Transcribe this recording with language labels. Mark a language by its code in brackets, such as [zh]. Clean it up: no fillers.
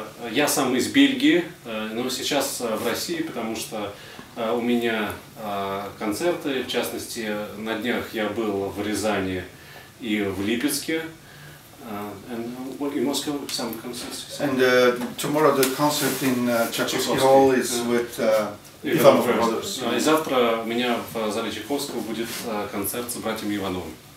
[ru] Я сам из Бельгии, но сейчас в России, потому что у меня концерты. В частности, на днях я был в Рязани и в Липецке. [en] In Moscow, some concerts. And tomorrow the concert in Tchaikovsky Hall is with [ru] И завтра у меня в зале Чайковского будет концерт с братьями Ивановыми.